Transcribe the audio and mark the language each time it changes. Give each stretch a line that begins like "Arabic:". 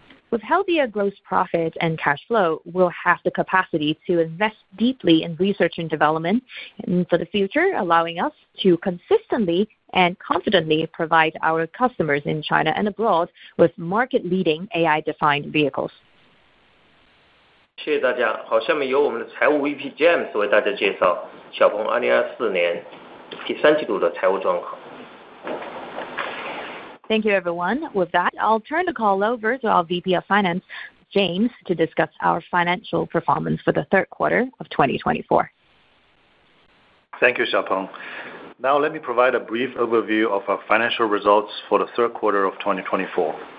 English: With healthier gross profit and cash flow, we'll have the capacity to invest deeply in research and development for the future, allowing us to consistently and confidently provide our customers in China and abroad with market-leading AI-defined vehicles.
Chinese: 谢谢大家。好，下面由我们的财务VP James 为大家介绍小鹏 2024年 第三季度的财务状况。
English: Thank you, everyone. With that, I'll turn the call over to our VP of Finance, James, to discuss our financial performance for the third quarter of 2024. Thank you, Xiaopeng. Now let me provide a brief overview of our financial results for the third quarter of 2024.